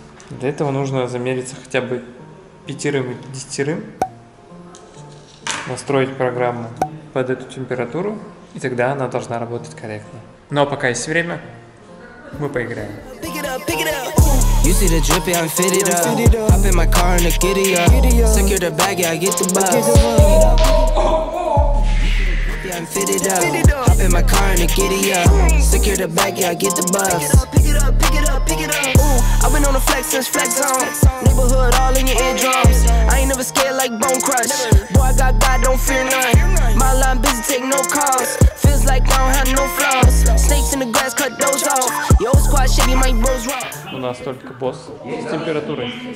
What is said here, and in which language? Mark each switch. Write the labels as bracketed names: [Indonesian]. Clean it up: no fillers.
[Russian] Для этого нужно замериться хотя бы 5-10, настроить программу под эту температуру, и тогда она должна работать корректно. Ну а пока есть время, мы поиграем. [English] You see the drippy, I'm fitted up. Hop in my car in the giddy up. Secure the bag, yeah, I get the bus. You see the drippy, I'm fitted up. Hop in my car in the giddy up. Secure the bag, yeah, I get the bus. Pick it up, pick it up, pick it up. Ooh, I've been on the flex since flex zone. Neighborhood all in your eardrums. I ain't never scared like bone crush. Boy, I got God, don't fear none. My line busy, take no calls. Feels like I don't have no flaws. Snakes in the grass, cut those off. Yo, squad shady, my bros rock. [Russian] У нас только босс с температурой.